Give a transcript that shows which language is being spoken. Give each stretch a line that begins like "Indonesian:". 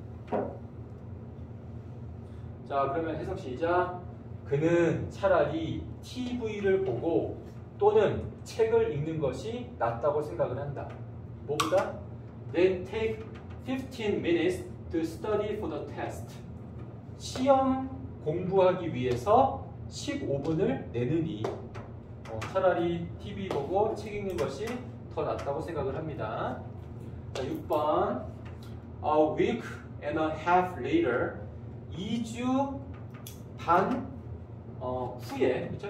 Korean: 자, 그러면 해석 시작. 그는 차라리 TV를 보고 또는 책을 읽는 것이 낫다고 생각을 한다. 뭐보다?
English: Then take 15 minutes to study for the test.
Korean: 시험 공부하기 위해서 15분을 내느니 차라리 TV 보고 책 읽는 것이 더 낫다고 생각을 합니다. 자, 6번
English: A week and a half later
Korean: 2주 반 후에 그렇죠?